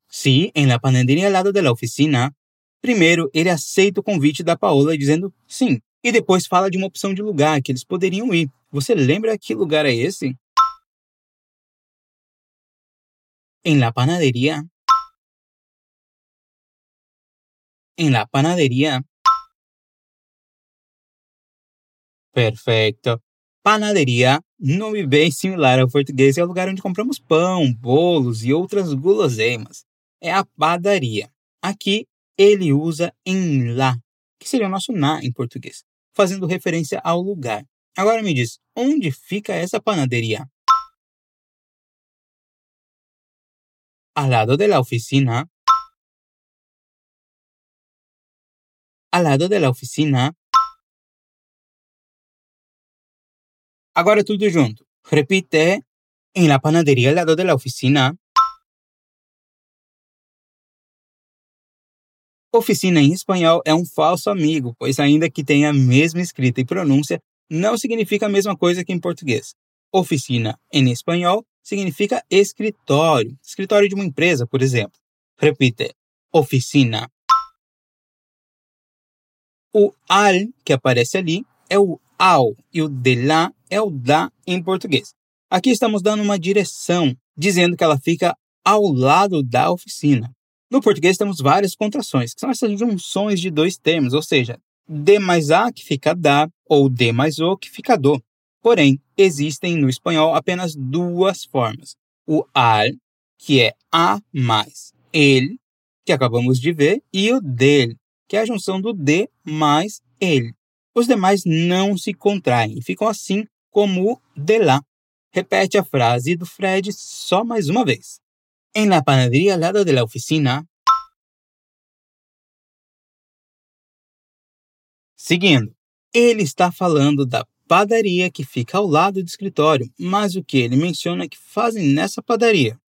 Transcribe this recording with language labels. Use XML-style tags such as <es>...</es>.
<es>Sí, en la panadería al lado de la oficina.</es> <pt>Primeiro, ele aceita o convite da Paola dizendo sim. E depois fala de uma opção de lugar que eles poderiam ir. Você lembra que lugar é esse?</pt> <es>En la panadería. En la panadería. Perfecto. Panadería.</es> <pt>Nome bem similar ao português, é o lugar onde compramos pão, bolos e outras guloseimas. É a padaria. Aqui, ele usa em lá, que seria o nosso na em português, fazendo referência ao lugar. Agora me diz, onde fica essa panaderia?</pt> <es>Al lado de la oficina. Al lado de la oficina.</es> <pt>Agora tudo junto.</pt> <es>Repite. En la panadería al lado de la oficina.</es> <pt>Oficina em espanhol é um falso amigo, pois ainda que tenha a mesma escrita e pronúncia, não significa a mesma coisa que em português. Oficina em espanhol significa escritório, escritório de uma empresa, por exemplo.</pt> <es>Repite, oficina.</es> <pt>O al que aparece ali é o ao e o de lá é o da em português. Aqui estamos dando uma direção, dizendo que ela fica ao lado da oficina. No português temos várias contrações, que são essas junções de dois termos, ou seja, de mais a que fica da ou de mais o que fica do. Porém, existem no espanhol apenas duas formas. O al, que é a mais ele, que acabamos de ver, e o dele, que é a junção do de mais ele. Os demais não se contraem, ficam assim como o de lá. Repete a frase do Fred só mais uma vez.</pt> <es>En la panadería al lado de la oficina.</es> <pt>Seguindo. Ele está falando da padaria que fica ao lado do escritório, mas o que ele menciona que fazem nessa padaria?</pt>